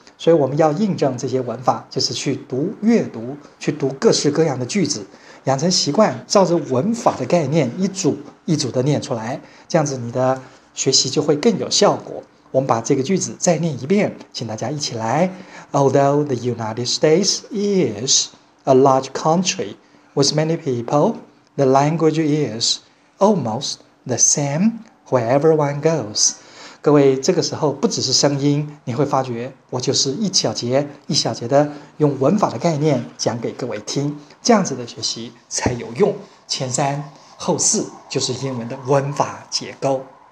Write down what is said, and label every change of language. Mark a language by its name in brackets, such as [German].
[Chinese] 所以我们要印证这些文法，就是去读阅读，去读各式各样的句子。养成习惯，照着文法的概念一组一组的念出来，这样子你的学习就会更有效果。我们把这个句子再念一遍，请大家一起来。 [English] Although the United States is a large country with many people, the language is almost the same wherever one goes。 [Chinese] 各位，这个时候不只是声音，你会发觉我就是一小节一小节的用文法的概念讲给各位听，这样子的学习才有用。前三后四就是英文的文法结构。